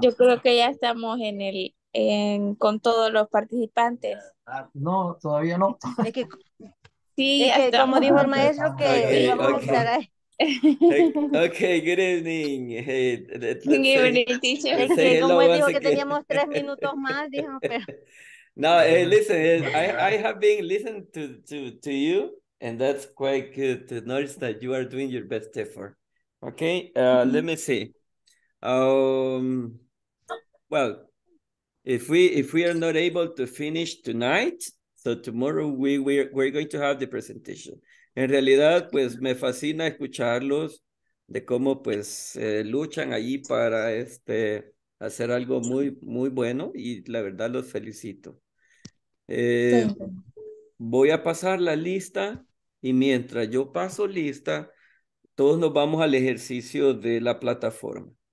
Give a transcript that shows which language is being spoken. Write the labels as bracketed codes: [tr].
[es] Yo creo que ya estamos en el... con todos los participantes. No, todavía no. Es que como dijo el maestro, que [en] okay, good evening. Good evening, teacher. [es] Es que como él dijo que teníamos 3 minutos más, dijo, pero. [en] No, listen, I have been listening to you, and that's quite good to notice that you are doing your best effort. Okay, let me see. Well, If we are not able to finish tonight, so tomorrow we're going to have the presentation. [es] En realidad, pues me fascina escucharlos de cómo pues luchan allí para hacer algo muy muy bueno, y la verdad los felicito. Voy a pasar la lista, y mientras yo paso lista, todos nos vamos al ejercicio de la plataforma.